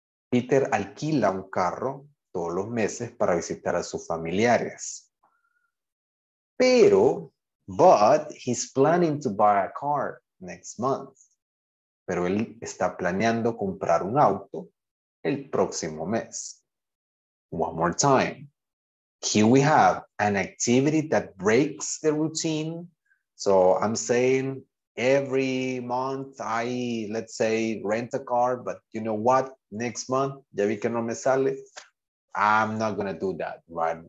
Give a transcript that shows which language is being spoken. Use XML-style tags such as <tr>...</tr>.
<es>Peter alquila un carro todos los meses para visitar a sus familiares.</es> <en>But he's planning to buy a car next month.</en> <es>Pero él está planeando comprar un auto el próximo mes.</es> <en>One more time. Here we have an activity that breaks the routine. So I'm saying every month I, let's say, rent a car, but you know what? Next month,</en> <es>ya vi que no me sale.</es> <en>I'm not gonna do that, right?</en>